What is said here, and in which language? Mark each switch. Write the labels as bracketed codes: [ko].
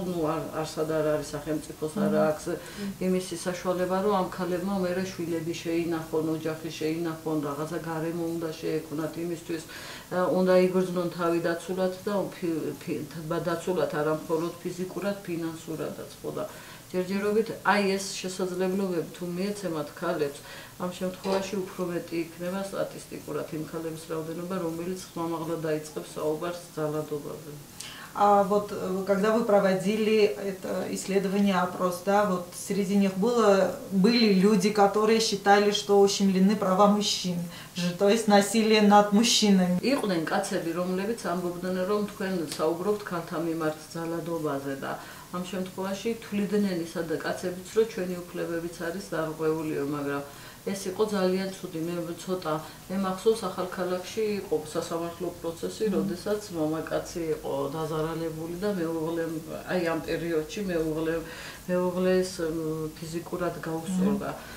[ka] Ну, არსად არ არის სახელმწიფოს არ აქვს იმისი საშუალება, რომ ამ ქალებმა მერე შვილები შეინახონ, ოჯახი შეინახონ, რაღაცა გარემო უნდა შეექმნათ იმისთვის, უნდა იგრძნონ თავი დაცულად და დაცულად არამხოლოდ ფიზიკურად, ფინანსურადაც, ხო? [ru] Да. [ka] Ჯერჯერობით აი ეს შესაძლებლობები თუ მიეცემათ ქალებს, ამ შემთხვევაში უფრო მეტი იქნება სტატისტიკურად იმ ქალების რაოდენობა, რომელიც ხმამაღლა დაიწყებს საუბარს ძალადობაზე. [ru] А вот когда вы проводили это исследование, опрос, да, вот среди них были люди, которые считали, что ущемлены права мужчин, то есть насилие над мужчинами. [ka] Иқнен кацები, რომლებიც ამბობდნენ, რომ თქვენ საუბრობთ ქალთა მიმართ ძალადობაზე და ამ შემთხვევაში თვლიდნენ ისა და კაცებიც, რომ ჩვენი უფლებებიც არის დარღვეულიო, მაგრამ ეს იყო ძალიან ცუდი, მე ცოტა მე მახსოვს ახალქალაქში იყო სასამართლო პროცესი, როდესაც მამაკაცი იყო დაზარალებული და მეუღლემ აი ამ პერიოდში მეუღლეს ფიზიკურად გაუსწორდა.